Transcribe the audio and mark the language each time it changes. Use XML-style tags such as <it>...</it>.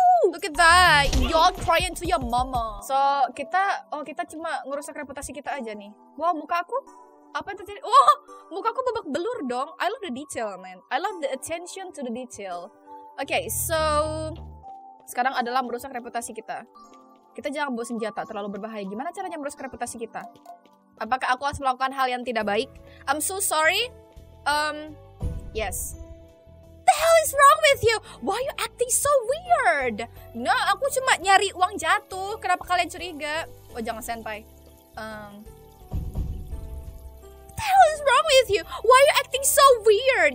<en>Look at that, you're crying to your mama.</en> <id>So, kita cuma ngerusak reputasi kita aja nih. Wow, muka aku, apa yang terjadi? Wow, muka aku babak belur dong.</id> <en>I love the detail, man. I love the attention to the detail.</en> <id>Okay, so sekarang adalah merusak reputasi kita. Kita jangan bawa senjata, terlalu berbahaya. Gimana caranya merusak reputasi kita? Apakah aku harus melakukan hal yang tidak baik?</id> <en>I'm so sorry. Yes. What the hell is wrong with you? Why are you acting so weird?</en> <id>No, aku cuma nyari uang jatuh. Kenapa kalian curiga? Oh, jangan senpai.</id> <en>What the hell is wrong with you? Why are you acting so weird?</en>